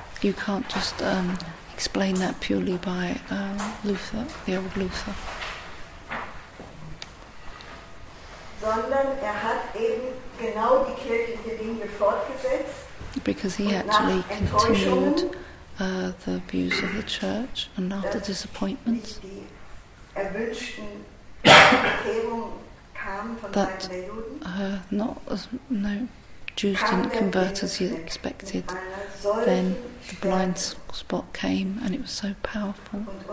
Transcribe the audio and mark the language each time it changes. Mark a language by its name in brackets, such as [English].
[English] You can't just explain that purely by Luther, the old Luther. [German] Sondern hat eben genau die kirchliche Linie fortgesetzt. [English] Because he actually continued the views of the church, and after disappointments, that Jews didn't convert as he expected, then the blind spot came, and it was so powerful.